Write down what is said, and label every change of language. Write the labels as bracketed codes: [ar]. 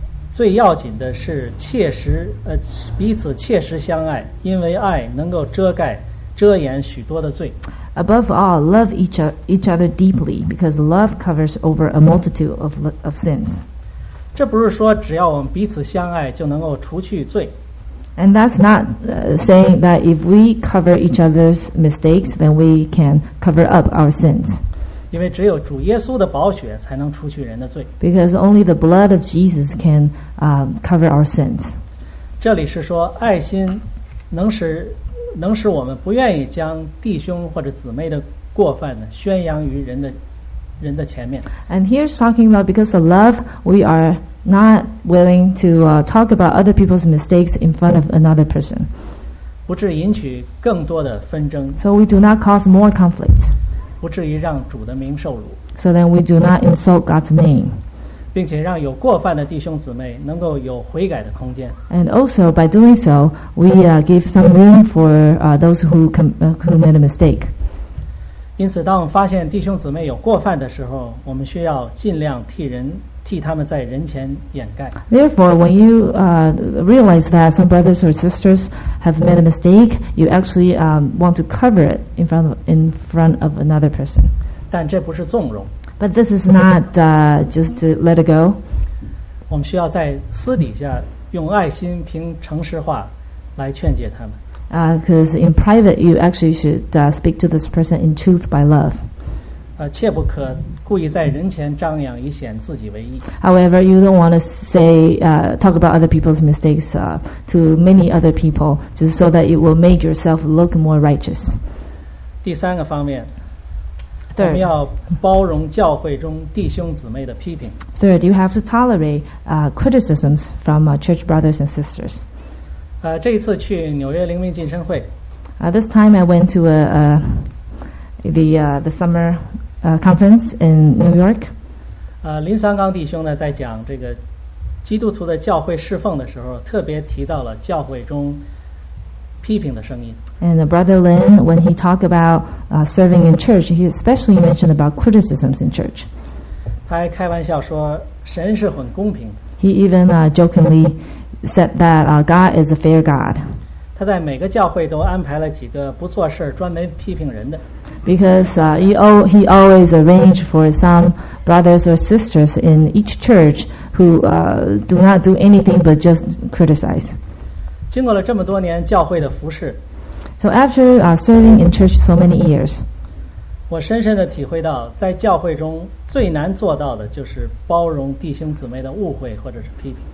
[zh] 最要紧的是彼此切实相爱因为爱能够遮盖遮掩许多的罪。 [en] Above all, love each other deeply, because love covers over a multitude of sins. [zh] 这不是说只要我们彼此相爱就能够除去罪。 [en] And that's not saying that if we cover each other's mistakes, then we can cover up our sins. [zh] 因为只有主耶稣的宝血才能除去人的罪。 [en] Because only the blood of Jesus can cover our sins. [zh] 这里是说爱心能使我们不愿意将弟兄或者姊妹的过犯呢宣扬于人的前面。 [en] And here's talking about because of love, we are not willing to talk about other people's mistakes in front of another person. [zh] 不至引起更多的纷争。 [en] So we do not cause more conflicts. [zh] 不至于让主的名受辱。 [en] So then we do not insult God's name. [zh] 并且让有过犯的弟兄姊妹能够有悔改的空间。 [en] And also by doing so, we give some room for those who made a mistake. [zh] 因此，当我们发现弟兄姊妹有过犯的时候，我们需要尽量替他们在人前掩盖。 [en] Therefore, when you realize that some brothers or sisters have made a mistake, you actually want to cover it in front of another person. [zh] 但这不是纵容。 [en] But this is not just to let it go. [zh] 我们需要在私底下用爱心凭诚实话来劝解他们。 [en] Because in private, you actually should speak to this person in truth by love. [zh] 切不可故意在人前张扬以显自己为义。 [en] However, you don't want to say talk about other people's mistakes to many other people just so that it will make yourself look more righteous. [zh] 第三个方面。我们要包容教会中弟兄姊妹的批评。 [en] Third, you have to tolerate criticisms from church brothers and sisters. [zh] 这一次去纽约灵命进深会。 [en] This time I went to the summer conference in New York. [zh] 林三刚弟兄呢，在讲这个基督徒的教会侍奉的时候，特别提到了教会中批评的声音。 [en] And Brother Lin, when he talked about serving in church, he especially mentioned about criticisms in church. [zh] 他还开玩笑说，神是很公平。 [en] He even jokingly said that God is a fair God. [zh] 他在每个教会都安排了几个不做事专门批评人的。 [en] Because he always arranged for some brothers or sisters in each church who do not do anything but just criticize. [zh] 经过了这么多年教会的服侍。 [en] So after serving in church so many years, [zh] 我深深地体会到，在教会中最难做到的就是包容弟兄姊妹的误会或者是批评。